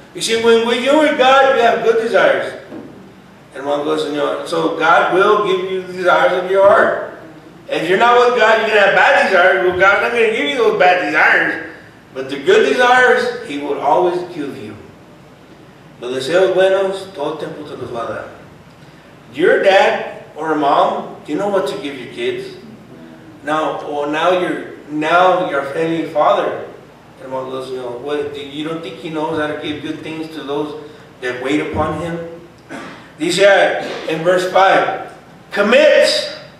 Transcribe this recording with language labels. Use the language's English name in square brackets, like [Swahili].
[English] You see, when you are God, you have good desires. Hermano, Señor. So God will give you the desires of your heart. If you're not with God, you're going to have bad desires. Well, God's not going to give you those bad desires. But the good desires, he will always give you. [Spanish] Los deseos buenos, todo el tiempo te los va a dar. [English] Your dad or mom, do you know what to give your kids? Now your heavenly father, hermano, you know, what, you don't think he knows how to give good things to those that wait upon him? These are in verse 5. Commit.